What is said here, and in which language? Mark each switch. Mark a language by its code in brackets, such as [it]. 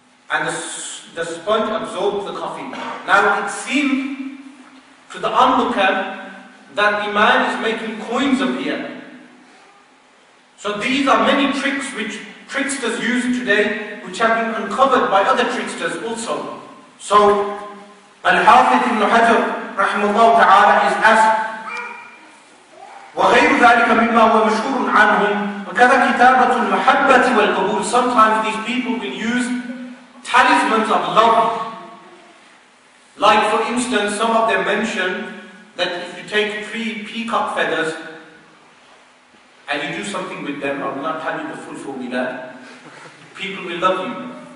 [en] And the sponge absorbed the coffee. Now it seemed to the onlooker that the man is making coins appear. So these are many tricks which tricksters use today, which have been uncovered by other tricksters also. So Al-Hafidh ibn Hajar رحمه الله تعالى is asked [ar] وغير ذلك مما هو مشهور عنهم وكذا كتابة المحبة والقبول. [en] Sometimes these people will use talismans of love. Like for instance, some of them mention that if you take 3 peacock feathers and you do something with them, I will not tell you the full formula, people will love you.